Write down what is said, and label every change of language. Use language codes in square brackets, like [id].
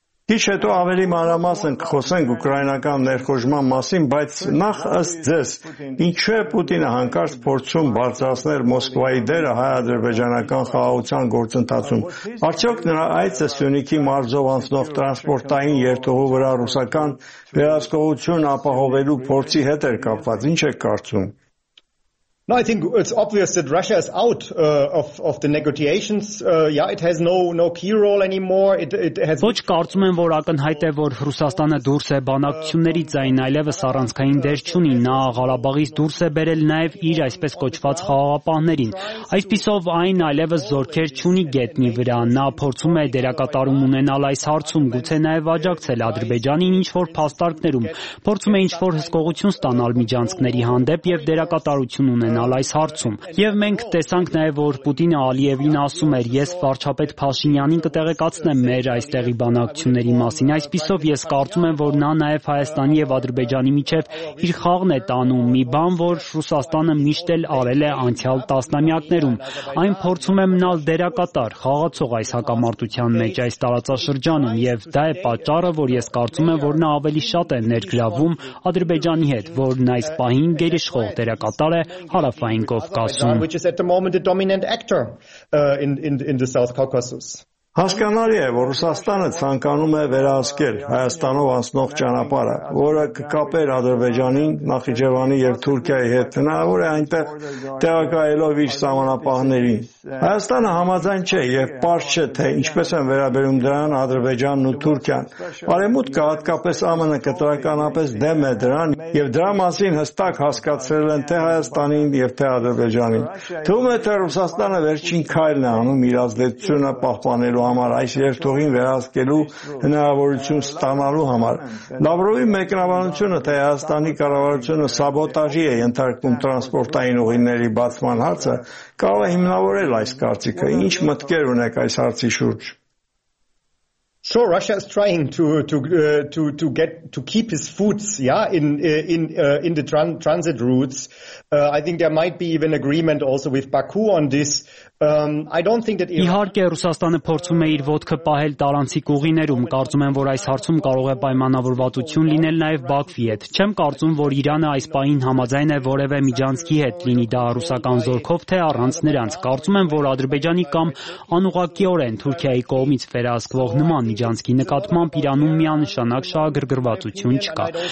[hy] Քիչ հետո ավելի մանրամասն կխոսենք ուկրաինական ներխուժման մասին, բայց նախ ըստ ձեզ, ինչու է Պուտինը հանկարծ փորձում բարձրացնել Մոսկվայի դերը հայ-ադրբեջանական խաղաղության գործընթացում։ Արդյոք նրա այցը Սյունիքի մարզով անցնող տրանսպորտային երթուղու վրա ռուսական վերահսկողություն ապահովելու փորձի հետ էր կապված, ինչ եք կարծում։ [en] No, I think it's obvious that Russia is out of the negotiations. Yeah, it has no key role anymore. It has. [hy] Ոչ, կարծում եմ, որ ակնհայտ է, որ Ռուսաստանը դուրս է բանակցությունների ձայն, այլևս առանցքային դեր չունի։ Նա Ղարաբաղից դուրս է բերել նաև իր այսպես կոչված խաղաղապահներին։ Այսպիսով այն այլևս զորքեր չունի գետնի վրա։ Նա փորձում է դերակատարում ունենալ այս հարցում, գուցե նաև աջակցել Ադրբեջանին ինչ-որ փաստարկներում, փորձում է ինչ-որ հսկողություն ստանալ միջանցքների հանդեպ եւ դերակատարություն ունենալ այս հարցում։ Եվ մենք տեսանք նաև, որ Պուտինը Ալիևին ասում էր, ես վարչապետ Փաշինյանին կտեղեկացնեմ մեր այստեղի բանակցությունների մասին։ Այսպիսով ես կարծում եմ, որ նա նաև Հայաստանի և Ադրբեջանի միջև իր խաղն է տանում, մի բան, որ Ռուսաստանը միշտ էլ արել է անցյալ տասնամյակներում։ Այն փորձում է մնալ դերակատար, խաղացող այս հակամարտության մեջ այս տարածաշրջանում, և դա է պատճառը, որ ես կարծում եմ, որ նա ավելի շատ է ներգրավում Ադրբեջանի հետ, որն այս պահին գերիշխող դերակատար է Հարավային Կովկասում, [en] which is at the moment the dominant actor in the South Caucasus. [hy] Հասկանալի է, որ Ռուսաստանը ցանկանում է վերահսկել Հայաստանով անցնող ճանապարհը, որը կկապեր Ադրբեջանի, Նախիջևանի եւ Թուրքիայի հետ, հնարավոր է այնտեղ տեղակայելով իր սահմանապահներին։ Հայաստանը համաձայն չէ եւ պարզ չէ, թե ինչպես են վերաբերում դրան Ադրբեջանն ու Թուրքիան։ Բարեմուտքը հատկապես ԱՄՆ կտրականապես դեմ է դրան, եւ դրա մասին հստակ հասկացրել են թե Հայաստանին եւ թե Ադրբեջանին։ Թվում է, թե Ռուսաստանը վերջին քայլն է անում իր ազդեցությունը պահպանելու համար, այս երթուղին վերահսկելու հնարավորություն ստանալու համար։ Լավրովի մեկնաբանությունը, թե Հայաստանի կառավարությունը սաբոտաժի է ենթարկում տրանսպորտային ուղիների բացման հարցը, կարող է հիմնավորել այս կարծիքը։ Ինչ մտքեր ունեք այս հարցի շուրջ։ [en] Sure, Russia is trying to keep his foots, yeah, in the transit routes. I think there might be even agreement also with Baku on this. I don't think that [hy] Իհարկե Ռուսաստանը փորձում է իր ոտքը պահել տարանցիկ ուղիներում, կարծում եմ, որ այս հարցում կարող է պայմանավորվածություն լինել նաև Բաքվի հետ։ Չեմ կարծում, որ Իրանը այս պահին համաձայն է որևէ միջանցքի հետ, լինի դա ռուսական զորքով թե առանց նրանց։ Կարծում եմ, որ Ադրբեջանի կամ անուղակիորեն Թուրքիայի կողմից վերահսկվող նման միջանցքի նկատմամբ Իրանում միանշանակ շահագրգռվածություն չկա։